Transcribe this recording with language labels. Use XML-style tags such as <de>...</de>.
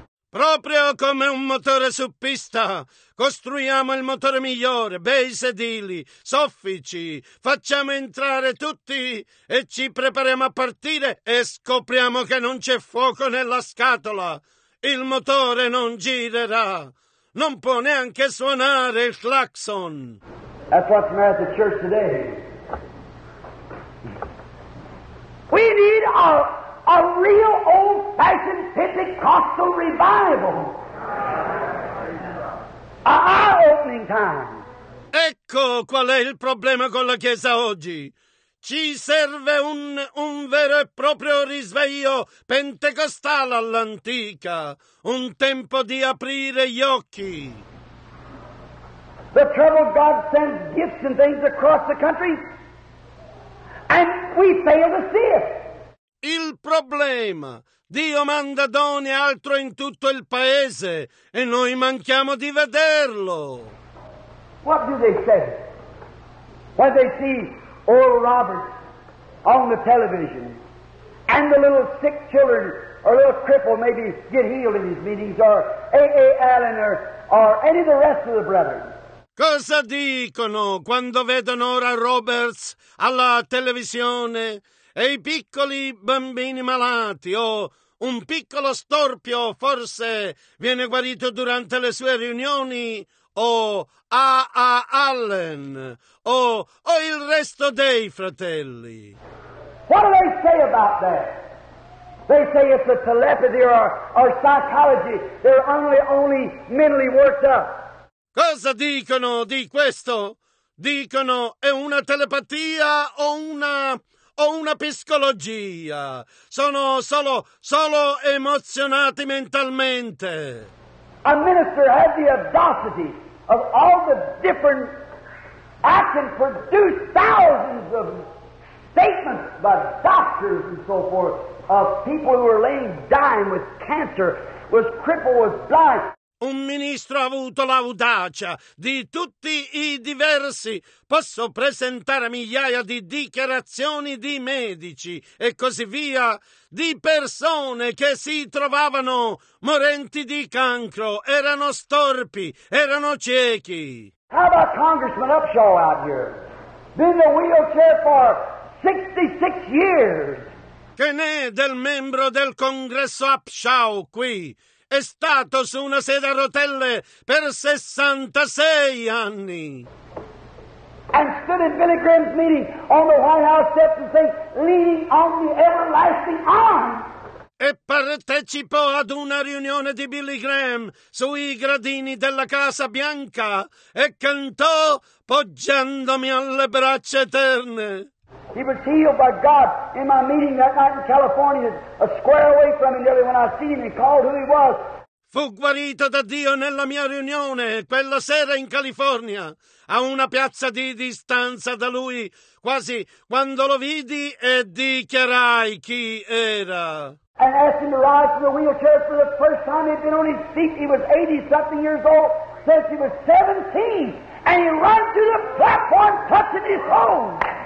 <it>Proprio come un motore su pista, costruiamo il motore migliore, bei sedili, soffici, facciamo entrare tutti e ci prepariamo a partire e scopriamo che non c'è fuoco nella scatola. Il motore non girerà. Non può neanche suonare il clacson.</it> <en>That's what's the matter at the church today. We need a real old-fashioned Pentecostal revival. A eye-opening time.</en> <it>Ecco qual è il problema con la Chiesa oggi. Ci serve un vero e proprio risveglio pentecostale all'antica. Un tempo di aprire gli occhi.</it> <en>The trouble, God sends gifts and things across the country, and we fail to see it.</en> <it>Il problema, Dio manda doni e altro in tutto il paese, e noi manchiamo di vederlo.</it> <en>What do they say? when they see Oral Roberts on the television, and the little sick children or little cripple maybe get healed in his meetings, or A.A. Allen, or any of the rest of the brethren.</en> <it>Cosa dicono quando vedono Oral Roberts alla televisione e i piccoli bambini malati, o un piccolo storpio forse viene guarito durante le sue riunioni, o A.A. Allen, o il resto dei fratelli?</it> <en>What do they say about that? They say it's a telepathy or psychology. They're only mentally worked up.</en> <it>Cosa dicono di questo? Dicono è una telepatia o una psicologia. Sono solo emozionati mentalmente.</it> <en>A minister had the audacity of all the different actions produced thousands of statements by doctors and so forth of people who were laying dying with cancer, was crippled, was blind.</en> <it>Un ministro ha avuto l'audacia di tutti i diversi. Posso presentare migliaia di dichiarazioni di medici e così via, di persone che si trovavano morenti di cancro, erano storpi, erano ciechi.</it> <en>How about Congressman Upshaw out here? Been in a wheelchair for 66 years.</en> <it>Che ne è del membro del Congresso Upshaw qui? È stato su una sedia a rotelle per 66 anni.</it> <en>And stood in Billy Graham's meeting on the White House steps and said, leaning on the everlasting arm.</en> <it>E partecipò ad una riunione di Billy Graham sui gradini della Casa Bianca e cantò poggiandomi alle braccia eterne.</it> <en>He was healed by God in my meeting that night in California, a square away from him, nearly when I seen him and called who he was.</en> <it>Fu guarito da Dio nella mia riunione quella sera in California, a una piazza di distanza da lui, quasi quando lo vidi e dichiarai chi era.</it> <en>And asked him to rise from the wheelchair for the first time. He'd been on his feet. He was 80-something years old since he was 17. And he ran to the platform touching his home.</en>